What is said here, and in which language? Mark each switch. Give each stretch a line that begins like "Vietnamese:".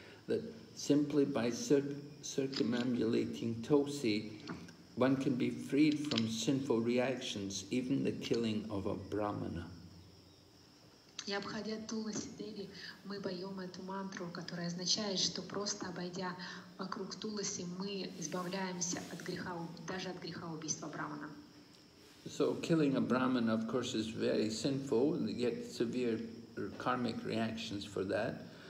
English: That simply by circumambulating Tulsi, one can be freed from sinful reactions, even the killing of a brahmana.
Russian: И обходя Туласи Деви, мы поем эту мантру, которая означает, что просто обойдя вокруг Туласи, мы избавляемся от греха, даже от греха убийства брахмана.
English: So killing a brahmana, of course, is very sinful, and you get severe karmic reactions for that.